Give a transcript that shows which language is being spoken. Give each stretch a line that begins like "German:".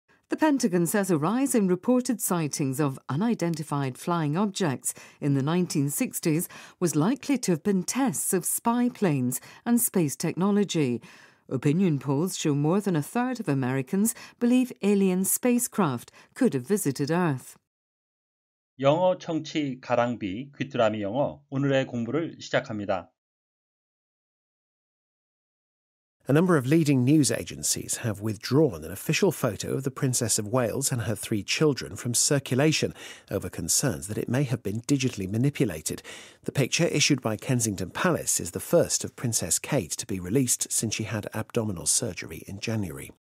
English: The Pentagon says a rise in reported sightings of unidentified flying objects in the 1960s was likely to have been tests of spy planes and space technology. Opinion polls show more than a third of Americans believe alien spacecraft could have visited Earth.
Korean: 영어 청취 가랑비 귀뚜라미 영어 오늘의 공부를 시작합니다.
English: A number of leading news agencies have withdrawn an official photo of the Princess of Wales and her three children from circulation over concerns that it may have been digitally manipulated. The picture issued by Kensington Palace is the first of Princess Kate to be released since she had abdominal surgery in January.